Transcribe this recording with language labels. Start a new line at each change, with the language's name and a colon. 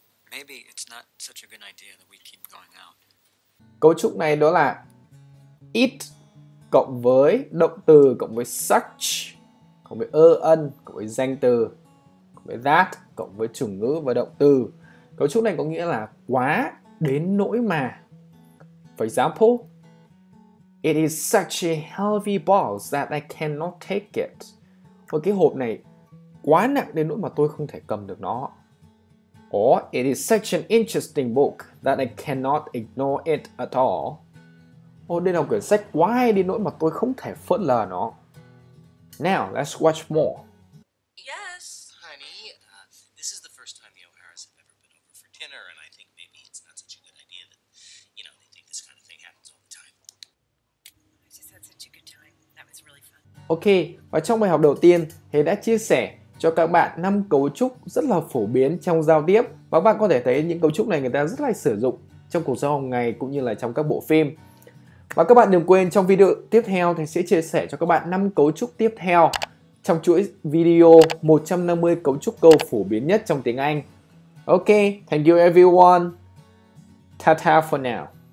English: Maybe it's not such a good idea that we keep going out.
Vietnamese: Cấu trúc này đó là it cộng với động từ cộng với such. Cộng với ơ ân, cộng với danh từ, cộng với that, cộng với chủ ngữ và động từ. Cấu trúc này có nghĩa là quá đến nỗi mà.
English: For example, it is such a heavy box that I cannot take it.
Vietnamese: Với cái hộp này quá nặng đến nỗi mà tôi không thể cầm được nó.
English: Or it is such an interesting book that I cannot ignore it at all.
Vietnamese: Oh, đây là quyển sách quá hay đến nỗi mà tôi không thể phớt lờ nó.
English: Now, let's watch more. Yes, honey. This is the first time the O'Haras have ever been over for dinner, and I think maybe it's not such a good idea that, you know, they think this kind of thing happens all the time. I just had such a good time. That was really fun.
Vietnamese: Okay, và trong bài học đầu tiên, Hề đã chia sẻ cho các bạn 5 cấu trúc rất là phổ biến trong giao tiếp. Và các bạn có thể thấy những cấu trúc này người ta rất là sử dụng trong cuộc sống hàng ngày cũng như là trong các bộ phim. Và các bạn đừng quên, trong video tiếp theo thì sẽ chia sẻ cho các bạn 5 cấu trúc tiếp theo trong chuỗi video 150 cấu trúc câu phổ biến nhất trong tiếng Anh.
English: Ok, thank you everyone. Ta-ta for now.